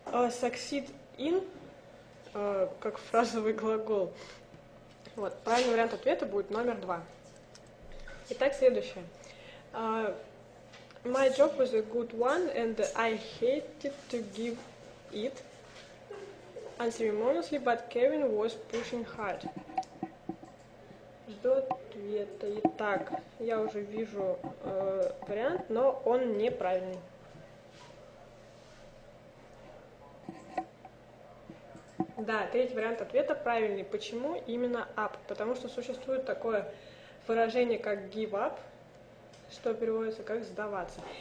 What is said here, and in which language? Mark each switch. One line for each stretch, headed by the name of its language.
English: Succeed in
Russian: как фразовый глагол. Вот, правильный вариант ответа будет номер 2. Итак, следующее.
English: My job was a good one and I hated to give it unceremoniously, but Kevin was pushing hard.
Russian: Жду ответа. Итак, я уже вижу вариант, но он неправильный. Да, третий вариант ответа правильный. Почему именно up? Потому что существует такое выражение, как give up, что переводится как сдаваться.